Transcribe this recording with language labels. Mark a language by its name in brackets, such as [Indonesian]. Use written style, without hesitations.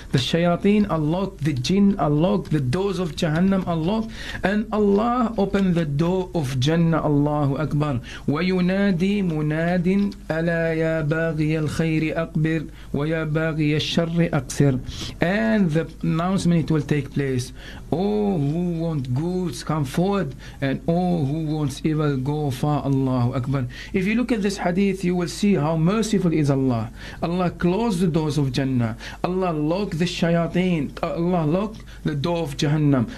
[English] The shayateen are locked, the jinn are locked, the doors of Jahannam are locked, and Allah opened the door of Jannah. Allahu Akbar. [Arabic] وينادي مناد ألا يا باغي الخير أقبر ويا باغي الشر أقصر. [English] And the announcement will take place. Who want goods come forward, and who wants evil go far. Allahu Akbar. If you look at this hadith, you will see how merciful is Allah. Allah closed the doors of Jannah. Allah locked the shayateen. Allah locked the door of Jahannam.